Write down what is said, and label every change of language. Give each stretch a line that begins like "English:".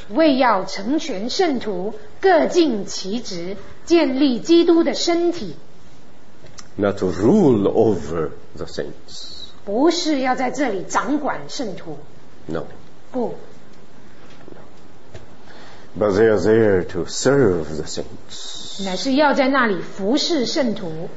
Chinese: 为要成全圣徒，各尽其职，建立基督的身体。
English: Not to rule over the saints.
Chinese: 不是要在这里掌管圣徒。
English: No.
Chinese: 不。
English: But they are there to serve the saints.
Chinese: 乃是要在那里服侍圣徒。